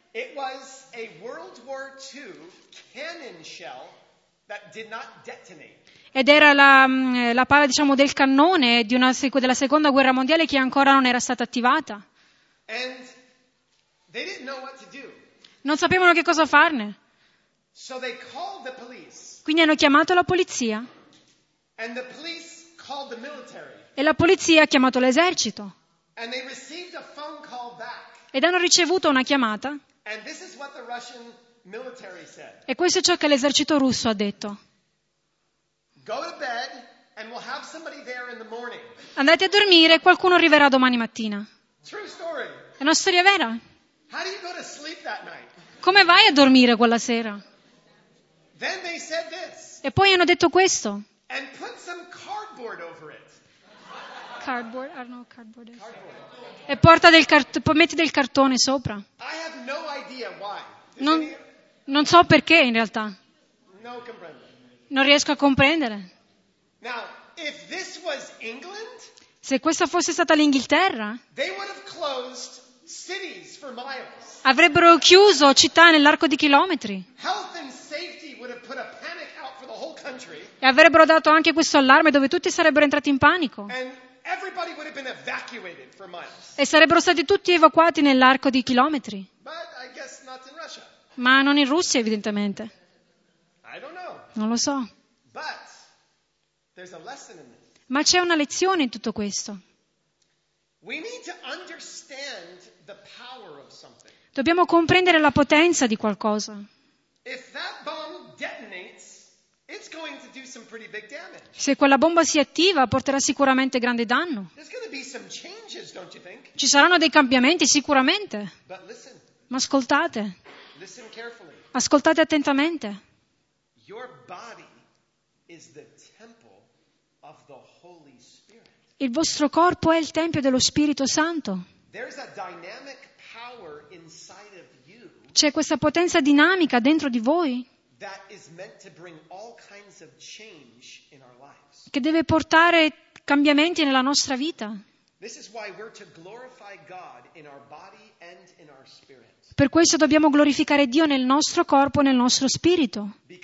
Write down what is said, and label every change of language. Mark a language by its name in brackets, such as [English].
[English] It was a World War II cannon shell that did not detonate. [Italian] Ed era la pala, diciamo, del cannone della Seconda Guerra Mondiale che ancora non era stata attivata. [English] And they didn't know what to do. [Italian] Non sapevano che cosa farne. [English] So they called the police. [Italian] Quindi hanno chiamato la polizia. [English] And the police. [Italian] E la polizia ha chiamato l'esercito. [English] And they received a phone call back. [Italian] Ed hanno ricevuto una chiamata. [English] And this is what the Russian military said. [Italian] E questo è ciò che l'esercito russo ha detto. [English] Go to bed and we'll have somebody there in the morning. [Italian] Andate a dormire, qualcuno arriverà domani mattina. [English] True story. [Italian] È una storia vera. [English] How do you go to sleep that night? [Italian] Come vai a dormire quella sera? [English] Then they said this. [Italian] E poi hanno detto questo. [English] And put some cardboard over it. Cardboard? I don't know what cardboard is. [Italian] E porta del metti del cartone sopra. [English] I have no idea why. [Italian] Non so perché in realtà. [Spanish] No comprendo. [Italian] Non riesco a comprendere. [English] Now, if this was England, [Italian] se questa fosse stata l'Inghilterra, [English] they would have closed cities for miles. [Italian] Avrebbero chiuso città nell'arco di chilometri. [English] Health and safety would have put a panic out for the whole country. [Italian] E avrebbero dato anche questo allarme dove tutti sarebbero entrati in panico. [English] And everybody would have been evacuated for miles. [Italian] E sarebbero stati tutti evacuati nell'arco di chilometri. [English] But I guess not in Russia. [Italian] Ma non in Russia, evidentemente. [English] I don't know. [Italian] Non lo so. [English] But there's a lesson in this. [Italian] Ma c'è una lezione in tutto questo. [English] We need to understand the power of something. [Italian] Dobbiamo comprendere la potenza di qualcosa. [English] If that bomb detonates, it's going to do some pretty big damage. [Italian] Se quella bomba si attiva, porterà sicuramente grande danno. [English] There's going to be some changes, don't you think? [Italian] Ci saranno dei cambiamenti, sicuramente. [English] But listen. [Italian] Ma ascoltate. [English] Listen carefully. [Italian] Ascoltate attentamente. [English] Your body is the temple of the Holy Spirit. [Italian] Il vostro corpo è il tempio dello Spirito Santo. [English] There's a dynamic power inside of you. [Italian] C'è questa potenza dinamica dentro di voi. [English] That is meant to bring all kinds of change in our lives. [Italian] Che deve portare cambiamenti nella nostra vita. [English] This is why we're to glorify God in our body and in our spirit. [Italian] Per questo dobbiamo glorificare Dio nel nostro corpo e nel nostro spirito.